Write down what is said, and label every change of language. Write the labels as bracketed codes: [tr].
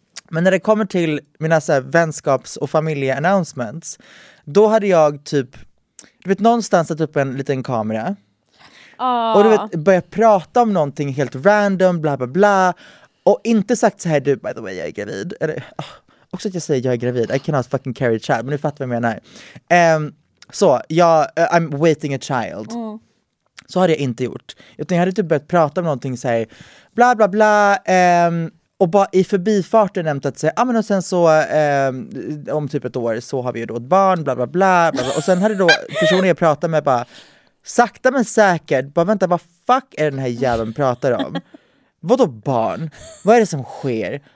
[sv] Men när det kommer till mina så här vänskaps- och familje-announcements, då hade jag typ, du vet, någonstans satt upp en liten kamera. Och du vet, börja prata om någonting helt random, bla bla bla, och inte sagt så här, du, [en] by the way, [sv] jag är gravid. Eller, också att jag säger jag är gravid, [en] I cannot fucking carry a child, [sv] men du fattar vad jag menar. [en] Så, jag, I'm waiting a child. [sv] Så hade jag inte gjort. Utan jag hade typ börjat prata om någonting så här, bla bla bla, och bara i förbifarten nämnt att säga, ah, men och sen så, om typ ett år så har vi ju då ett barn, bla bla bla, bla, bla. Och sen hade då personen jag pratade med bara, sakta men säkert, bara vänta, vad fuck är den här jäveln pratar om? Vadå barn? Vad är det som sker?